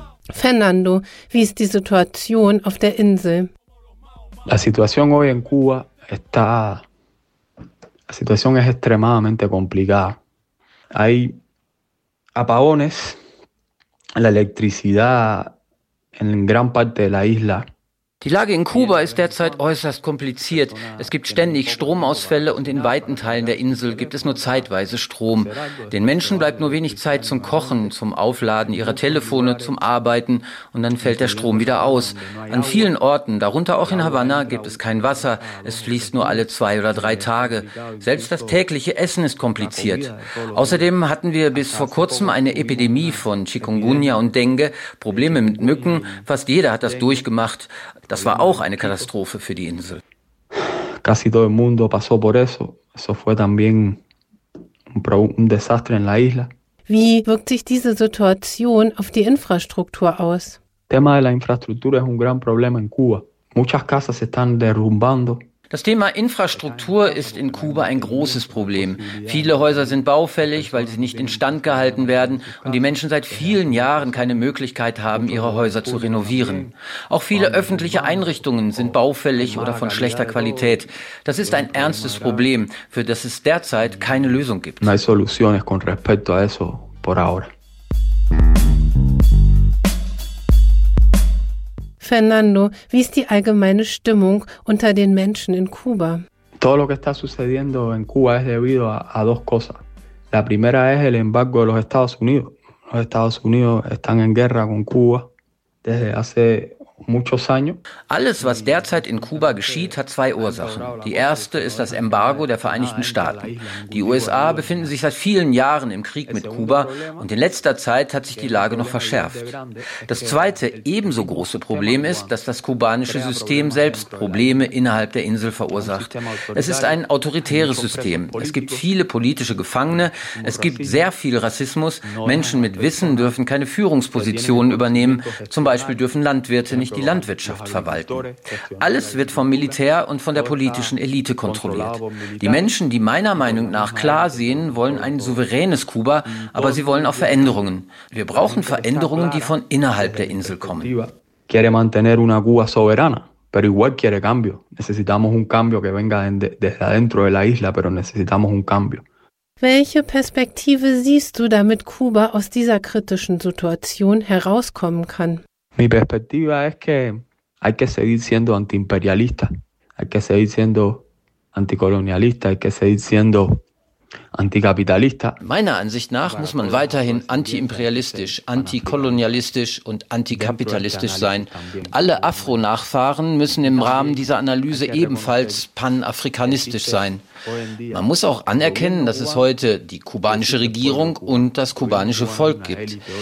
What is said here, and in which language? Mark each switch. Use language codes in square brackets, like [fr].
[de] Fernando, wie ist die Situation auf der Insel? [es] La situación hoy en Cuba está. La situación es extremadamente complicada. Hay apagones, la electricidad en gran parte de la isla. [de] Die Lage in Kuba ist derzeit äußerst kompliziert. Es gibt ständig Stromausfälle und in weiten Teilen der Insel gibt es nur zeitweise Strom. Den Menschen bleibt nur wenig Zeit zum Kochen, zum Aufladen ihrer Telefone, zum Arbeiten und dann fällt der Strom wieder aus. An vielen Orten, darunter auch in Havanna, gibt es kein Wasser. Es fließt nur alle 2 oder 3 Tage. Selbst das tägliche Essen ist kompliziert. Außerdem hatten wir bis vor kurzem eine Epidemie von Chikungunya und Dengue, Probleme mit Mücken. Fast jeder hat das durchgemacht. Das war auch eine Katastrophe für die Insel. [es] Casi todo el mundo pasó por eso. Eso fue también un desastre en la isla. [de] Wie wirkt sich diese Situation auf die Infrastruktur aus? [es] Tema de la infraestructura es un gran problema en Cuba. Muchas casas se están derrumbando. [de] Das Thema Infrastruktur ist in Kuba ein großes Problem. Viele Häuser sind baufällig, weil sie nicht instand gehalten werden und die Menschen seit vielen Jahren keine Möglichkeit haben, ihre Häuser zu renovieren. Auch viele öffentliche Einrichtungen sind baufällig oder von schlechter Qualität. Das ist ein ernstes Problem, für das es derzeit keine Lösung gibt. [es] No hay soluciones con respecto a eso por ahora. [de] Fernando, wie ist die allgemeine Stimmung unter den Menschen in Kuba? [es] Todo lo que está sucediendo en Cuba es debido a dos cosas. La primera es el embargo de los Estados Unidos. Los Estados Unidos están en guerra con Cuba desde hace muchos años. [de] Alles, was derzeit in Kuba geschieht, hat 2 Ursachen. Die erste ist das Embargo der Vereinigten Staaten. Die USA befinden sich seit vielen Jahren im Krieg mit Kuba und in letzter Zeit hat sich die Lage noch verschärft. Das zweite, ebenso große Problem ist, dass das kubanische System selbst Probleme innerhalb der Insel verursacht. Es ist ein autoritäres System. Es gibt viele politische Gefangene, es gibt sehr viel Rassismus, Menschen mit Wissen dürfen keine Führungspositionen übernehmen, zum Beispiel dürfen Landwirte nicht die Landwirtschaft verwalten. Alles wird vom Militär und von der politischen Elite kontrolliert. Die Menschen, die meiner Meinung nach klar sehen, wollen ein souveränes Kuba, aber sie wollen auch Veränderungen. Wir brauchen Veränderungen, die von innerhalb der Insel kommen. [es] Quiere mantener una Cuba soberana, pero igual quiere cambio. Necesitamos un cambio que venga desde adentro de la isla, pero necesitamos un cambio. [de] Welche Perspektive siehst du, damit Kuba aus dieser kritischen Situation herauskommen kann? [es] Mi perspectiva es que hay que seguir siendo antiimperialista, hay que seguir siendo anticolonialista, hay que seguir siendo anticapitalista. [de] Meiner Ansicht nach muss man weiterhin antiimperialistisch, antikolonialistisch und antikapitalistisch sein. Alle Afro-Nachfahren müssen im Rahmen dieser Analyse ebenfalls panafrikanistisch sein. Man muss auch anerkennen, dass es heute die kubanische Regierung und das kubanische Volk gibt.